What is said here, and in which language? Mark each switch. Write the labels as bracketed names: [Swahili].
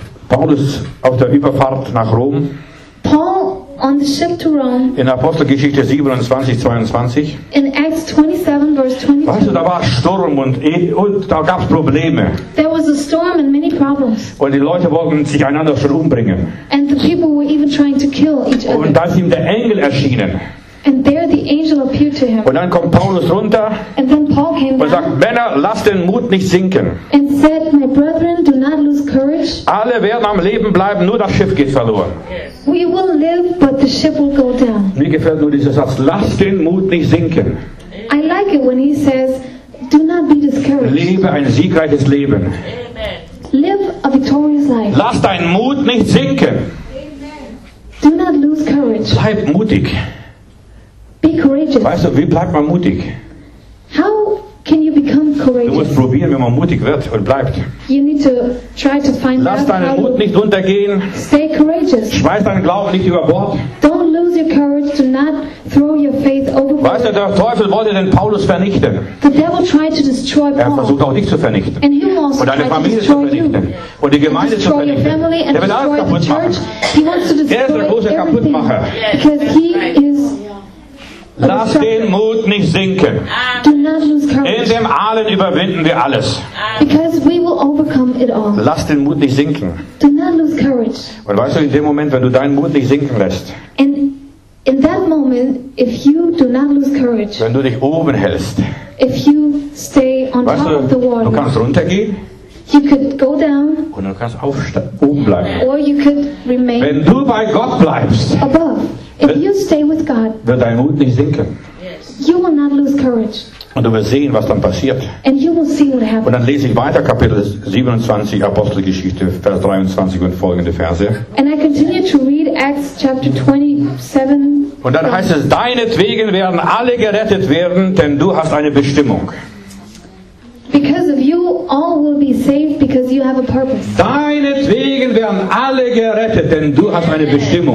[German] Paulus auf der Überfahrt nach Rom. [English] Paul on the ship to Rome. [German] In Apostelgeschichte 27:22. [English] In Acts 27 verse 22. [German] Weißt du, da war Sturm und da gab's Probleme. [English] There was a storm and many problems. [German] Und die Leute wollten sich einander schon umbringen. [English] And the people were even trying to kill each other. [German] Und da ist ihm der Engel erschienen. [English] And there the angel appeared to him. [German] Und dann kommt Paulus runter. [English] And then Paul came down. [German] Und sagt: Männer, lasst den Mut nicht sinken. [English] And said, my brethren, do not lose courage. [German] Alle werden am Leben bleiben, nur das Schiff geht verloren. [English] We will live, but the ship will go down. [German] Mir gefällt nur dieser Satz: Lasst den Mut nicht sinken. [English] I like it when he says, do not be discouraged. [German] Lebe ein siegreiches Leben. [English] Amen. Live a victorious life. [German] Lass deinen Mut nicht sinken. [English] Amen. Do not lose courage. [German] Bleib mutig. [English] Be courageous. [German] Weißt du, wie bleibt man mutig? [English] How can you become courageous? [German] Du musst probieren, wie man mutig wird und bleibt. [English] You need to try to find [German] Lass deinen [English] out how [German] Mut nicht untergehen. [English] Stay courageous. [German] Schmeiß deinen Glauben nicht über Bord. [English] Don't lose your courage. Do not throw your faith overboard. [German] Weißt du, der Teufel wollte den Paulus vernichten. [English] The devil tried to destroy Paul. [German] Er versucht auch dich zu vernichten. [English] And he also [German] und deine Familie [English] to destroy [German] zu vernichten. [English] You. [German] Und die Gemeinde zu vernichten. Er will alles kaputt machen. Er ist der große Kaputtmacher. [English] Because he is [German] Lass den Mut nicht sinken. [English] Do not lose courage. [German] In dem Allen überwinden wir alles. [English] Because we will overcome it all. [German] Lass den Mut nicht sinken. [English] Do not lose courage. [German] Und weißt du, in dem Moment, wenn du deinen Mut nicht sinken lässt, [English] and in that moment, if you do not lose courage, [German] wenn du dich oben hältst, [English] if you stay on [German] weißt [English] top [German] du, [English] of the water, [German] du kannst runtergehen, [English] you could go down, [German] und du kannst oben bleiben. [English] Or you could remain [German] wenn du bei Gott bleibst, [English] above. If you stay with God, [German] wird dein Mut nicht sinken. [English] Yes. You will not lose courage. [German] Und du wirst sehen, was dann passiert. [English] And you will see what happens. [German] Und dann lese ich weiter, Kapitel 27, Apostelgeschichte, Vers 23 und folgende Verse. [English] And I continue to read Acts chapter 27. [German] Und dann heißt es, deinetwegen werden alle gerettet werden, denn du hast eine Bestimmung. [English] Because of you, all will be saved because you have a purpose. [German] Deinetwegen werden alle gerettet, denn du hast eine Bestimmung.